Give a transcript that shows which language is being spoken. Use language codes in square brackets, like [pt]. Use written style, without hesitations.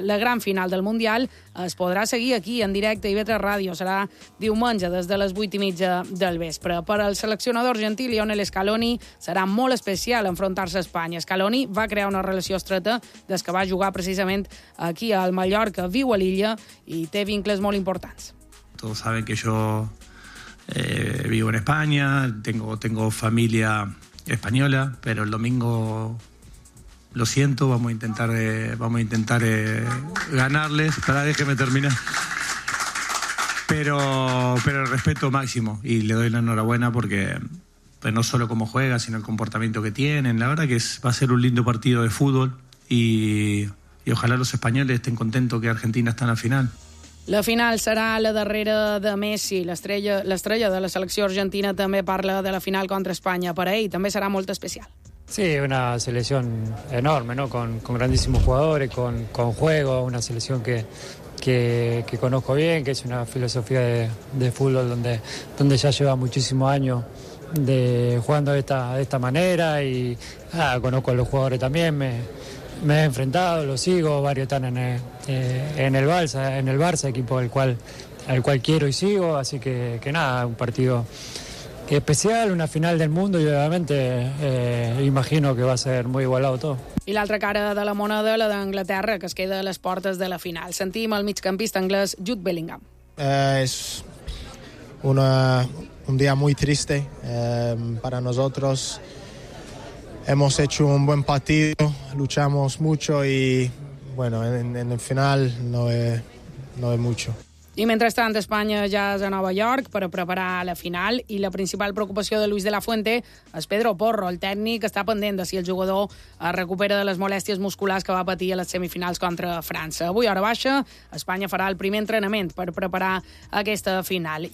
[ca] La gran final del Mundial es podrà seguir aquí en directe i Betre Ràdio. Serà diumenge des de les 8:30 del vespre. Per al seleccionador argentí Lionel Scaloni serà molt especial enfrontar-se a Espanya. Scaloni va crear una relació estreta des que va jugar precisament aquí al Mallorca, viu a l'illa i té vincles molt importants. [es] Todos saben que yo vivo en España, tengo familia española, pero el domingo... Lo siento, vamos a intentar ganarles. Espera, déjeme terminar. Pero el respeto máximo y le doy la enhorabuena porque pues no solo cómo juega, sino el comportamiento que tienen. La verdad que va a ser un lindo partido de fútbol y ojalá los españoles estén contentos que Argentina está en la final. [ca] La final serà la darrera de Messi. L'estrella de la selecció argentina també parla de la final contra Espanya. Per a ell també serà molt especial. [es] Sí, una selección enorme, ¿no? Con grandísimos jugadores, con juego, una selección que conozco bien, que es una filosofía de fútbol donde ya lleva muchísimos años de jugando de esta manera y conozco a los jugadores también, me he enfrentado, los sigo, varios están en el Barça, equipo al cual quiero y sigo, así que nada, un partido especial, una final del mundo, y obviamente imagino que va a ser muy igualado todo. [ca] I l'altra cara de la moneda, la d'Anglaterra, que es queda a les portes de la final. Sentim el migcampista anglès Jude Bellingham. [es] Es un día muy triste para nosotros. Hemos hecho un buen partido, luchamos mucho y bueno, en el final no es mucho. [ca] I mentrestant, Espanya ja és a Nova York per a preparar la final i la principal preocupació de Luis de la Fuente és Pedro Porro, el tècnic, està pendent de si el jugador es recupera de les molèsties musculars que va patir a les semifinals contra França. Avui, hora baixa, Espanya farà el primer entrenament per preparar aquesta final.